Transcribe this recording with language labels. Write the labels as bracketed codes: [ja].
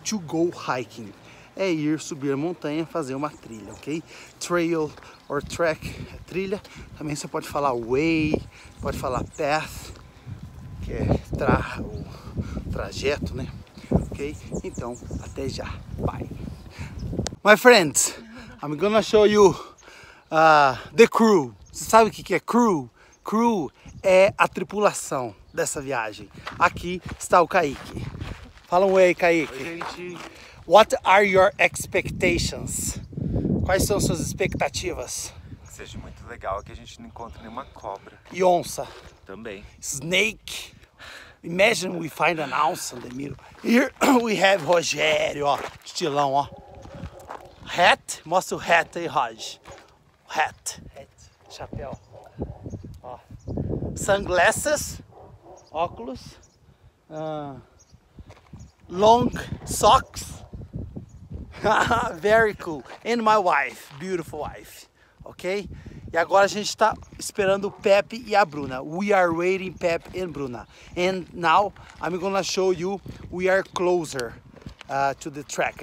[en] To go hiking. [pt] É ir subir a montanha, fazer uma trilha, ok? [en] Trail or track, [pt] trilha. Também você pode falar way, pode falar path, que é o trajeto, né? Ok? Então, até já. Bye. [en] My friends, I'm gonna show you the crew. [pt] Você sabe o que é crew? Crew é a tripulação dessa viagem. Aqui está o Kaique. Fala um way, Kaique. Oi, gente. [en] What are your expectations? [pt] Quais são suas expectativas? Que seja muito legal, que a gente não encontre nenhuma cobra. E onça. Também. [en] Snake. Imagine we find an onça, Demiro. Here we have Rogério, ó. Estilão, ó. Hat. [pt] Mostra o hat aí, Rog. Hat. Chapéu. Ó. [en] Sunglasses. Óculos. Long socks. Very cool. And my wife, beautiful wife. Ok? [pt] E agora a gente está esperando o Pepe e a Bruna. [en] We are waiting Pepe and Bruna. And now I'm gonna show you we are closer to the track.